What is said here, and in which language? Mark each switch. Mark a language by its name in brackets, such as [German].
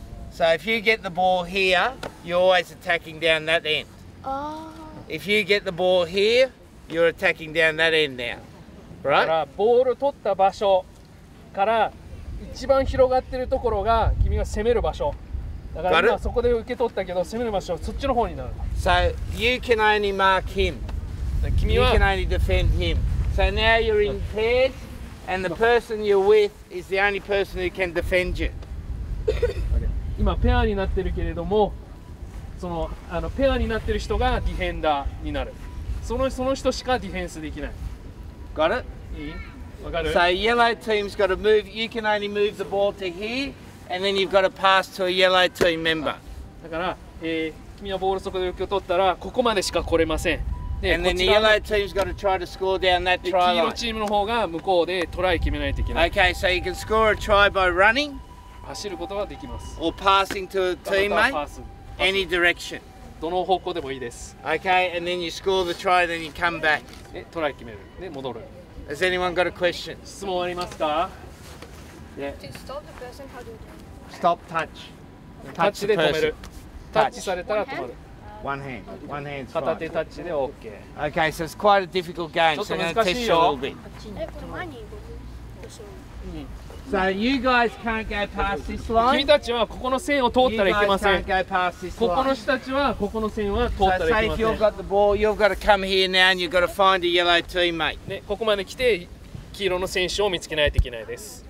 [English] So if you get the ball here, you're always attacking down that end. Oh. If you get the ball here, you're attacking down that end now. Right? [Japanese] だからボールを取った場所から一番広がってるところが君が攻める場所。だから今そこで受け取ったけど攻める場所はそっちの方になる。 [English] So you can only mark him. You can only defend him. So now you're in pairs and the person you're with is the only person who can defend you. [Japanese] 今ペアになってるけれども、あのペアになってる人がディフェンダーになる。その人しかディフェンスできない。 [English] Got it? [Japanese] いい?わかる? [English] So yellow team's got to move, you can only move the ball to here, and then you've got to pass to a yellow team member. [Japanese] だから、君はボールそこで受け取ったら、ここまでしか来れません。 [English] And then the yellow team's got to try to score down that try line. [Japanese] 黄色チームの方が向こうでトライ決めないといけない。 [English] Okay, so you can score a try by running? [Japanese] 走ることができます。 [English] Or passing to a teammate? Any direction. [Japanese] どの方向でもいいです。 [English] Okay, and then you score the try, then you come back. [Japanese] で、トライ決める。で、戻る。 [English] Has anyone got a question? [Japanese] 質問ありますか? [English] Yeah. To stop the person, how do you do it? Stop touch. [Japanese] Touch で止める。タッチされたら止まる。 [English] One hand. [Japanese] 片手タッチで OK。 [English] Okay, so it's quite a difficult game. [Japanese] ちょっと難しいよ。これ前に動く。 [English] So you guys can't go past this line. [Japanese] 君たちはここの線を通ったらいけません。 [English] You guys can't go past this line. [Japanese] ここの人たちはここの線は通ったらいけません。 [English] So say if you've got the ball, you've got to come here now and you've got to find a yellow teammate. [Japanese] ね、ここまで来て黄色の選手を見つけないといけないです。